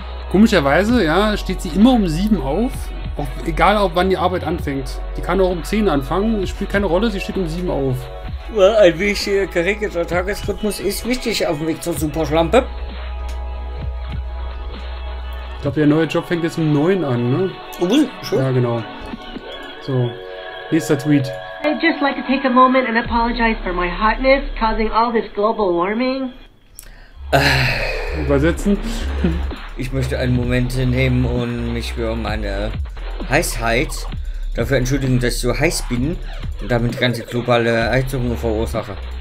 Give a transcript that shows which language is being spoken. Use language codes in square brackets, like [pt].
[de] Komischerweise, ja, steht sie immer um 7 auf. Auch, egal, ob wann die Arbeit anfängt. Die kann auch um 10 anfangen. Es spielt keine Rolle, sie steht um 7 auf. Ein wichtiger geregelter Tagesrhythmus ist wichtig auf dem Weg zur Superschlampe. Ich glaube, der neue Job fängt jetzt um 9 an, ne? Schon? Ja, genau. So, nächster Tweet. [en] I'd just like to take a moment and apologize for my hotness causing all this global warming. [de] Übersetzen. Ich möchte einen Moment nehmen und mich für meine Heißheit dafür entschuldigen, dass ich so heiß bin und damit ganze globale Erhitzung verursache.